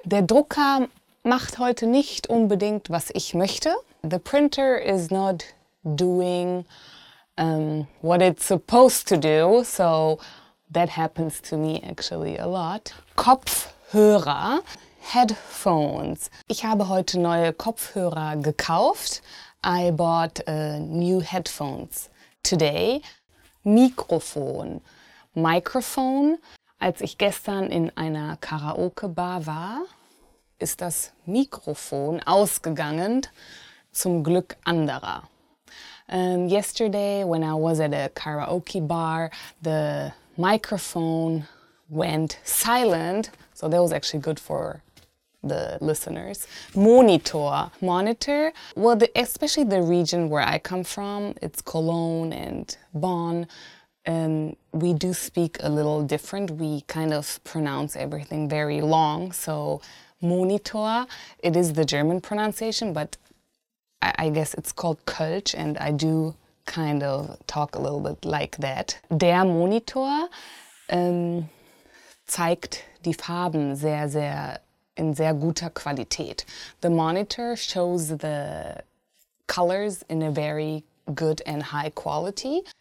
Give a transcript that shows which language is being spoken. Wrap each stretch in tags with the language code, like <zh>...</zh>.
<de>Der Drucker macht heute nicht unbedingt, was ich möchte.</de> <en>The printer is not doing what it's supposed to do. So that happens to me actually a lot.</en> <de>Kopfhörer. Headphones. Ich habe heute neue Kopfhörer gekauft.</de> <en>I bought new headphones today.</en> <de>Mikrofon. Microphone. Als ich gestern in einer Karaoke-Bar war, ist das Mikrofon ausgegangen, zum Glück anderer.</de> <en>Yesterday, when I was at a karaoke bar, the microphone went silent. So that was actually good for the listeners. Monitor. Well, especially the region where I come from, it's Cologne and Bonn, we do speak a little different. We kind of pronounce everything very long. So monitor, it is the German pronunciation, but I guess it's called Kölsch, and I do kind of talk a little bit like that.</en> <de>Der Monitor zeigt die Farben in sehr guter Qualität.</de> <en>The monitor shows the colors in a very good and high quality.</en>